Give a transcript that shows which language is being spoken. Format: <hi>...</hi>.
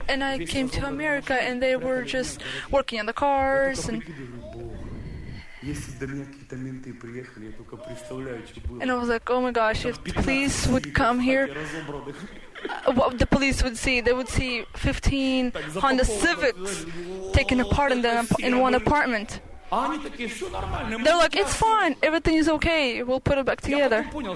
<en>And I came to America and they were just working on the cars and</en> <ru>Если до меня какие-то менты приехали, я только представляю, что было.</ru> <en>And I was like, oh my gosh, if the police would come here, what the police would see? They would see 15 Honda Civics taken apart in one apartment. They're like, it's fine, everything is okay, we'll put it back together.</en>